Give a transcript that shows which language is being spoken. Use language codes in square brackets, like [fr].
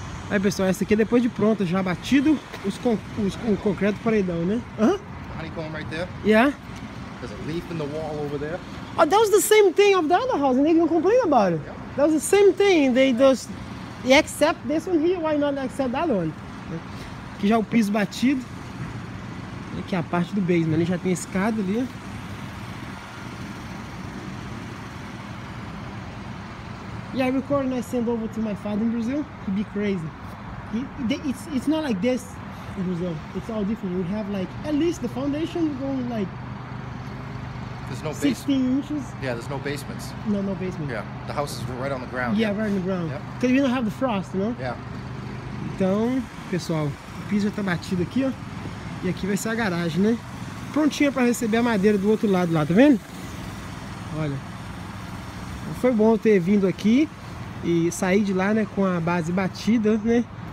[pt] Aí pessoal, essa aqui é depois de pronta, já batido o concreto paredão, né? [en] Honeycomb right there. Yeah. There's a leaf in the wall over there. Oh, that was the same thing of the other house, and they didn't complain about it. Yep. That was the same thing. They accept this one here. Why not accept that one? [pt] Aqui já é o piso batido. Aqui é a parte do basement. Ali já tem escada ali. [en] Yeah, I record and I send over to my father in Brazil. He'd be crazy. It's not like this. In Brazil, it's all different. We have like at least the foundation going like There's no base. 16 inches. Yeah, there's no basements. No, no basement. Yeah, the house is right on the ground. Yeah, right on the ground. Yeah. Because we don't have the frost, you know? Yeah. [pt] Então, pessoal, o piso já tá batido aqui, ó. E aqui vai ser a garagem, né? Prontinha para receber a madeira do outro lado lá, tá vendo? Olha. Foi bom ter vindo aqui e sair de lá, né, com a base batida, né?